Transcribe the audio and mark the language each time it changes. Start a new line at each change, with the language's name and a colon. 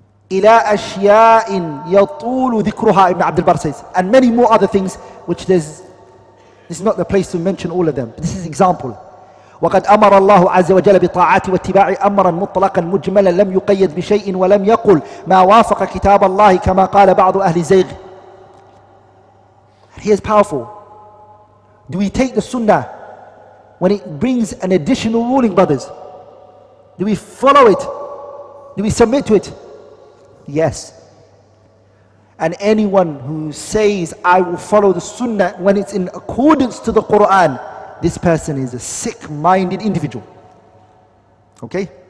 Arabic: إلى أشياء يطول ذكرها, Ibn Abdul Barr says.
English: And many more other things, which there's, this is not the place to mention all of them. But this is an example.
Arabic: وقد أمر الله عز وجل بطاعات واتباع أمرا مطلقا مجملا لم يقيد بشيء ولم يقل ما وافق كتاب الله كما قال بعض أهل الزيغ.
English: Here's powerful. Do we take the sunnah when it brings an additional ruling, brothers? Do we follow it? Do we submit to it? Yes. And anyone who says, I will follow the sunnah when it's in accordance to the Quran, this person is a sick-minded individual. Okay?